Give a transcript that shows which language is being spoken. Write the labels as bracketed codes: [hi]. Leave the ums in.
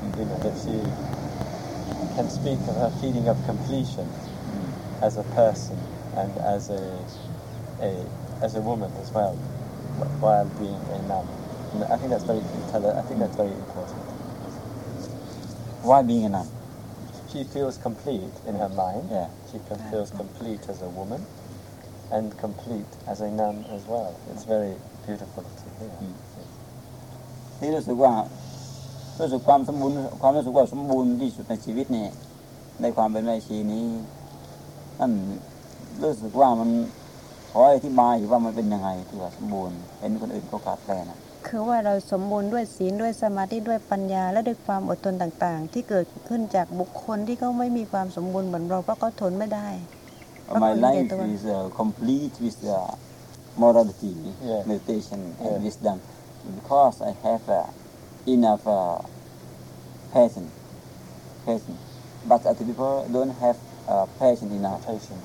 [en] You know that she can speak of her feeling of completion as a person and as a a as a woman as well, wh- while being a nun. And I think that's very. I think that's very important. why being a nun She feels complete in her mind. Yeah. She com- feels complete as a woman and complete as a nun as well. It's very beautiful to hear. Mm. [th] ที่รู้สึกว่ารู้สึกความสมบูรณ์ความรู้สึกว่าสมบูรณ์ที่สุดในชีวิตเนี่ยในความเป็นแม่ชีนี้นั่นรู้สึกว่ามันขออธิบายอยู่ว่ามันเป็นยังไงที่ว่าสมบูรณ์เห็นคนอื่นเขาขาดแคลนอะ คือว่าเราสมบูรณ์ด้วยศีลด้วยสมาธิด้วยปัญญา และด้วยความอดทนต่างๆ ที่เกิดขึ้นจากบุคคลที่เขาไม่มีความสมบูรณ์เหมือนเราเพราะเขาทนไม่ได้ [en] My life is uh, complete with uh, morality, Yeah. meditation, and Yeah. wisdom because I have uh, enough uh, patience. Patience, but other people don't have uh, patience enough. Patience,